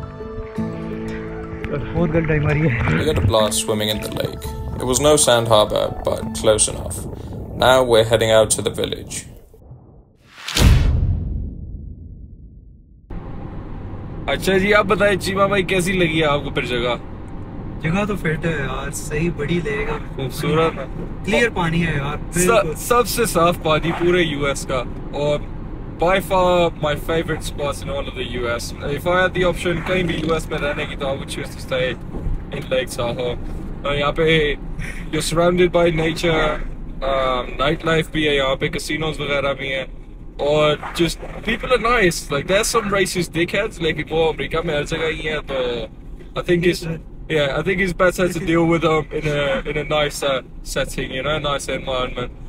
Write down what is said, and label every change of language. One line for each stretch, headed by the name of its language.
English: We got a blast swimming in the lake. It was no sand harbor, but close enough. Now we're heading out to the village.
Hindi: अच्छा जी, आप बताइए चीमा भाई, कैसी लगी आपको फिर जगह? जगह तो फिट है यार, सही बड़ी लगेगा, खूबसूरत, क्लियर पानी है यार, सबसे साफ पानी पूरे यूएस का, और
English: by far my favorite spots in all of the US. If I had the option,
Hindi: कहीं भी US में रहने की, तो
English: I would choose to stay in Lake Tahoe.
Hindi: और यहाँ पे
English: you're surrounded by nature, nightlife
Hindi: भी है यहाँ पे,
English: casinos
Hindi: वगैरह भी हैं, और
English: just people are nice, like there's some racist dickheads,
Hindi: लेकिन वो अमेरिका में हर जगह ही हैं, तो
English: I think it's yeah, I think it's better to deal with them in a nicer setting, you know, nicer environment.